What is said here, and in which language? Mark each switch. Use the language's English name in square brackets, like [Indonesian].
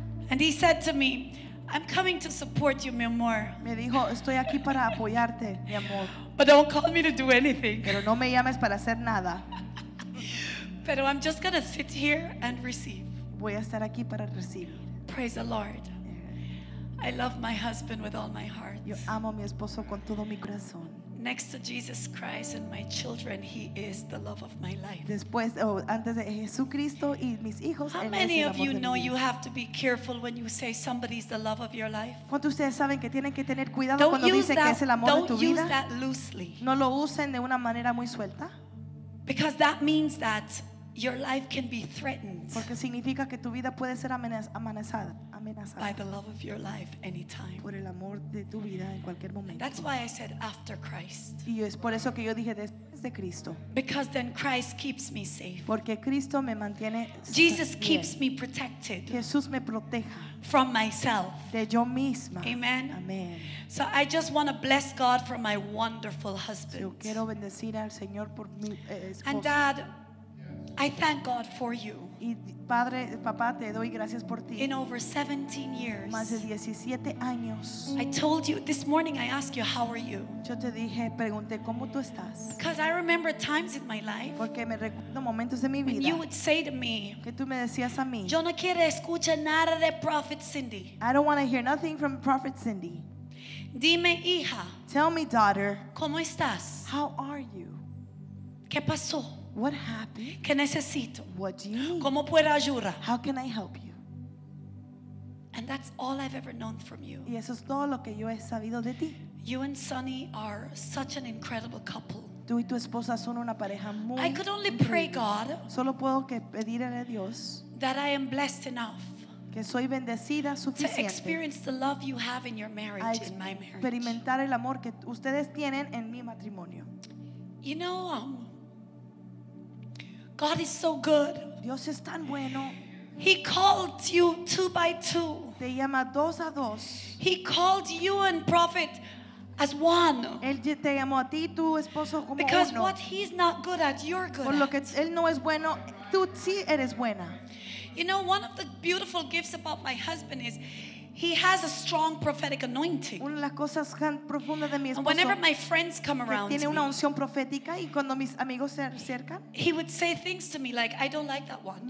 [English] And he said to me, I'm coming to support you, [Spanish] mi amor. Me dijo, estoy aquí para apoyarte, mi amor. [English] But don't call me to do anything. [Spanish] Pero no me llames para hacer nada. [English] But I'm just going to sit here and receive. [Spanish] Voy a estar aquí para recibir. [English] Praise the Lord. I love my husband with all my heart. [Spanish] Yo amo a mi esposo con todo mi corazón. [English] Next to Jesus Christ and my children, he is the love of my life. [Spanish] Después, antes de Jesucristo y mis hijos, [English] how many of you know you have to be careful when you say somebody's the love of your life? [Spanish] ¿Cuántos ustedes saben que tienen que tener cuidado cuando dicen que es el amor de tu vida? [English] Don't use that loosely. [Spanish] No lo usen de una manera muy suelta. [English] Because that means that your life can be threatened. [Spanish] Porque significa que tu vida puede ser amenazada. [English] By the love of your life, anytime. [Spanish] Por el amor de tu vida en cualquier momento. [English] That's why I said after Christ. [Spanish] Y es por eso que yo dije después de Cristo. [English] Because then Christ keeps me safe. [Spanish] Porque Cristo me mantiene. [English] Jesus keeps me protected. [Spanish] Jesús me proteja. [English] From myself. [Spanish] De yo misma. [English] Amen. [Spanish] Amen. [English] So I just want to bless God for my wonderful husband. [Spanish] Yo quiero bendecir al Señor por mi esposo. [English] And Dad, I thank God for you. [Spanish] Y padre, papá, te doy gracias por ti. [English] In over 17 years. [Spanish] Más de 17 años. [English] I told you this morning, I asked you, how are you? [Spanish] Yo te dije, pregunté cómo tú estás. [English] Because I remember times in my life. [Spanish] Porque me recuerdo momentos de mi vida. [English] You would say to me. [Spanish] Que tú me decías a mí. Yo no quiero escuchar nada de Prophet Cindy. [English] I don't want to hear nothing from Prophet Cindy. [Spanish] Dime, hija. [English] Tell me, daughter. [Spanish] ¿Cómo estás? [English] How are you? [Spanish] ¿Qué pasó? [English] What happened? [Spanish] ¿Qué necesito? [English] What do you need? [Spanish] ¿Cómo puedo ayudar? [English] How can I help you? And that's all I've ever known from you. [Spanish] Y eso es todo lo que yo he sabido de ti. [English] You and Sonny are such an incredible couple. [Spanish] Tú y tu esposa son una pareja muy [English] I could only pray, God, [Spanish] solo puedo que pedirle a Dios [English] that I am blessed enough [Spanish] que soy bendecida suficiente [English] to experience the love you have in your marriage, in my marriage. [Spanish] Experimentar el amor que ustedes tienen en mi matrimonio. [English] You know, God is so good. [Spanish] Dios es tan bueno. [English] He called you two by two. [Spanish] Te llama dos a dos. [English] He called you and prophet as one. [Spanish] Te llamó a ti, tu esposo, como [English] because [Spanish] uno. [English] What he's not good at, you're good [Spanish] por lo que [English] at. [Spanish] Él no es bueno, tú sí eres buena. [English] You know, one of the beautiful gifts about my husband is he has a strong prophetic anointing. [Spanish] Una de las cosas profundas de mi esposo, [English] and whenever my friends come around, [Spanish] tiene una unción profética, y cuando mis amigos se acercan, [English] he would say things to me like, I don't like that one.